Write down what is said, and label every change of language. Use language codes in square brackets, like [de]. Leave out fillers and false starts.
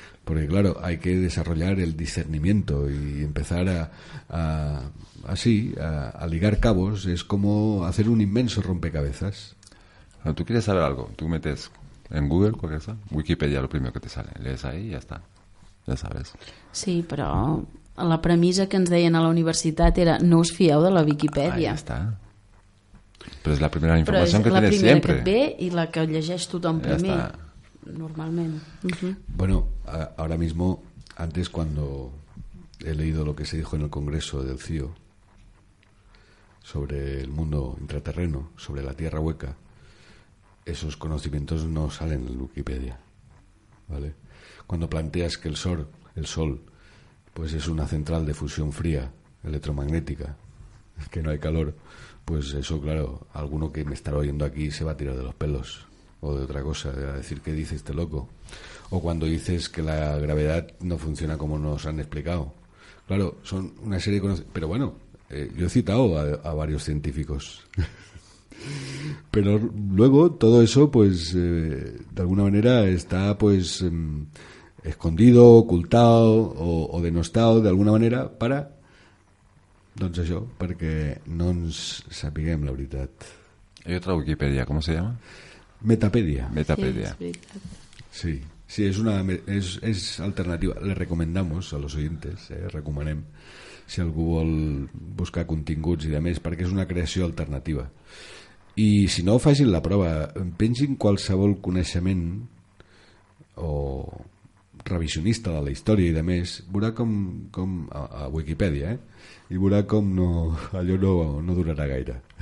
[es] Porque claro, hay que desarrollar el discernimiento y empezar a ligar cabos. Es como hacer un inmenso rompecabezas. Pero tú quieres saber algo. Tú metes en Google cualquier cosa. Wikipedia lo primero que te sale. Lees ahí y ya está. Ya sabes. Sí, pero... [ca] La premissa que ens deien a la universitat era no us fieu de la Wikipèdia. Ah, ja està. Però és la primera informació que tenen sempre. Però és la primera que et ve i la que llegeix tothom primer, normalment. Uh-huh. [es] Bueno, ahora mismo, antes cuando he leído lo que se dijo en el Congreso del CIO sobre el mundo intraterreno, sobre la Tierra hueca, esos conocimientos no salen en Wikipedia. ¿Vale? Cuando planteas que el Sol... pues es una central de fusión fría, electromagnética, que no hay calor, pues eso, claro, alguno que me estará oyendo aquí se va a tirar de los pelos. o de otra cosa, a decir que dice este loco, o cuando dices que la gravedad no funciona como nos han explicado. Claro, son una serie de conocimientos, pero bueno, yo he citado a varios científicos. Pero luego todo eso, pues, de alguna manera está, pues, escondido, ocultado o denostado de alguna manera para, [ca] doncs això, perquè no ens sapiguem la veritat. Hi ha altra Wikipedia, com [es] se llama? [ca] Metapèdia. Metapèdia. Sí, sí, és una, és alternativa. [es] Le recomendamos a los oyentes, [ca] recomanem, si algú vol buscar continguts i de més, perquè és una creació alternativa. I si no, facin la prova. Pengin qualsevol coneixement o revisionista de la història i de més, veurà com a Wikipedia, i veurà com no, allò no durarà gaire.